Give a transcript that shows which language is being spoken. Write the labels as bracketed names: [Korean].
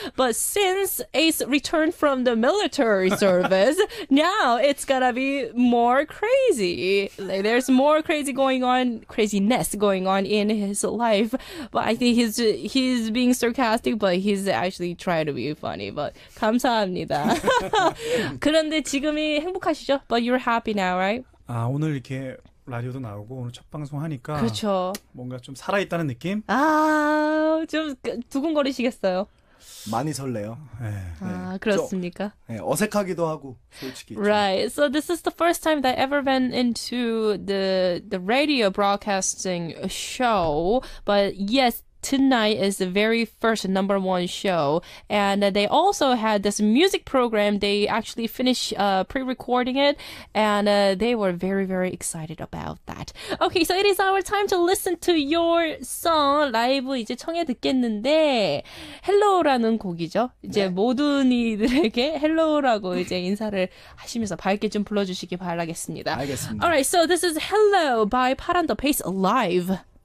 [English] But since Ace returned from the military service, now it's gonna be more crazy. Like, there's more crazy going on, craziness going on in his life. But I think he's being sarcastic, but he's actually trying to be funny. But [Korean] 감사합니다. 그런데 지금이 행복하시죠? [English] But you're happy now, right? [Korean] 아, 오늘 이렇게 라디오도 나오고 오늘 첫 방송 하니까 그렇죠. 뭔가 좀 살아있다는 느낌? 아, 좀 두근거리시겠어요? 많이 설레요. 네. 아, 그렇습니까? 네, 어색하기도 하고 솔직히. [English] Right. 좀. So this is the first time that I ever went into the radio broadcasting show. But yes, tonight is the very first number one show, and they also had this music program. They actually finished pre-recording it, and they were very, very excited about that. Okay, so it is our time to listen to your song. [Korean] 라이브 이제 청해 듣겠는데, Hello라는 곡이죠. 이제 네. 모든 이들에게 Hello라고 이제 인사를 하시면서 밝게 좀 불러주시기 바라겠습니다. 알겠습니다. [English] All right, so this is Hello by Paran the Pace Live.